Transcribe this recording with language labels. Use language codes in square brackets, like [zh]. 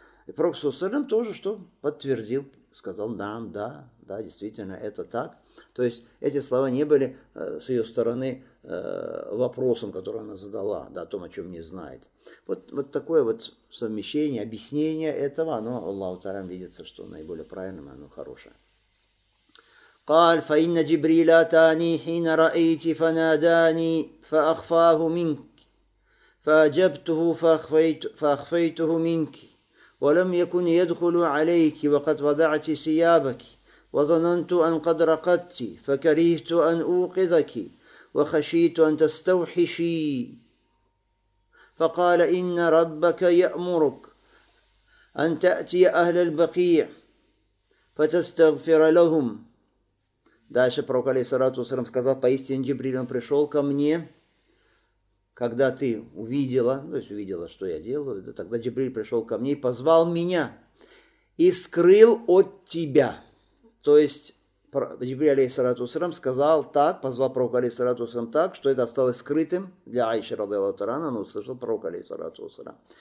[ru] И пророк, алейхиссалату вассалям, тоже что подтвердил, сказал «наам», «да», «да», действительно, это так. То есть эти слова не были с ее стороны вопросом, который она задала, да, о том, о чем не знает. Вот, вот такое вот совмещение, объяснение этого, оно Аллаху Тарам видится, что наиболее правильным, оно хорошее. [ar] قال فإن جبريل أتاني حين رأيت فناداني فأخفاه منك فأجبته فأخفيته منك ولم يكن يدخل عليك وقد وضعت ثيابك وظننت أن قد رقدت فكرهت أن أوقظك وخشيت أن تستوحشي فقال إن ربك يأمرك أن تأتي أهل البقيع فتستغفر لهم. [ru] Дальше пророк, алейхиссалату вассалям, сказал, поистине Джибриль, он пришел ко мне, когда ты увидела, то есть увидела, что я делаю, да, тогда Джибриль пришел ко мне и позвал меня и скрыл от тебя. То есть Джибриль, алейхиссалату вассалям, сказал так, позвал пророка, алейхиссалату вассалям, так, что это осталось скрытым для Аиши, радиаллаху тарана, но услышал пророка, алейхиссалату вассалям.